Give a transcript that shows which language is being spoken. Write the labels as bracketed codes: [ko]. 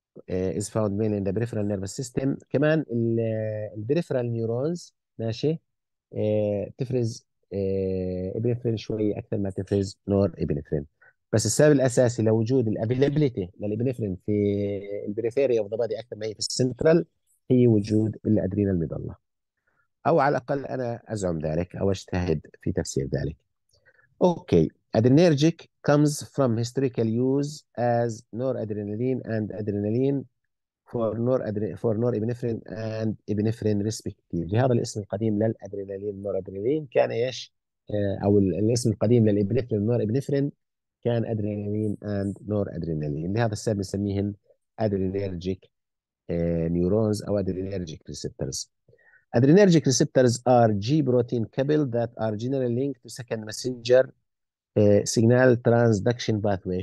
[en] Is found main in the peripheral nervous system. [ar] كمان البريفرال نيورونز، ماشي، تفرز ابنفرين شوي اكثر ما تفرز نور ابنفرين. بس السبب الاساسي لوجود الافيلابيليتي للابنفرين في البريفيريا اوف ذا بادي اكثر ما هي في السنترال هي وجود الادرينال المظله، او على الاقل انا ازعم ذلك او اجتهد في تفسير ذلك. اوكي، ادرينرجيك [en] comes from historical use as noradrenaline and adrenaline for norepinephrine and epinephrine respectively. [ar] لهذا الاسم القديم للادرينالين نورادرينالين كان ايش؟ او الاسم القديم للابنفرين نورابنفرين كان ادرينالين اند نور ادرينالين. لهذا السبب نسميهم ادرينرجيك نيورونز او ادرينرجيك ريسبتورز. [en] Adrenergic receptors are G protein coupled that are general link to second messenger signal transduction pathway.